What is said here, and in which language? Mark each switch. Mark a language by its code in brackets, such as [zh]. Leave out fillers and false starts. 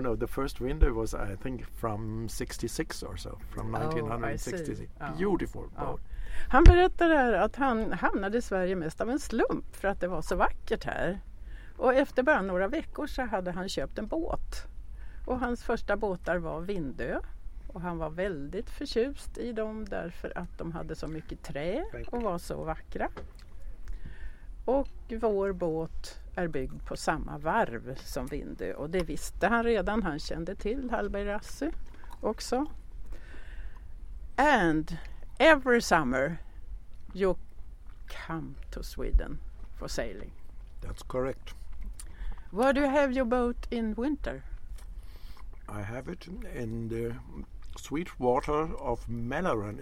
[en] No, the first window was, I think, from 66 or so, from 1966. Oh, beautiful boat. [sv] Han berättade att han hamnade i Sverige mest av en slump för att det var så vackert här. Och efter bara några veckor så hade han köpt en båt. Och hans första båtar var Vindö. Och han var väldigt förtjust i dem därför att de hade så mycket trä och var så vackra. Och vår båt är byggd på samma varv som Vindö. Och det visste han redan. Han kände till Halberdasse också. [en] And every summer you come to Sweden for sailing. That's correct. Where do you have your boat in winter? I have it in the sweet water of Mälaren.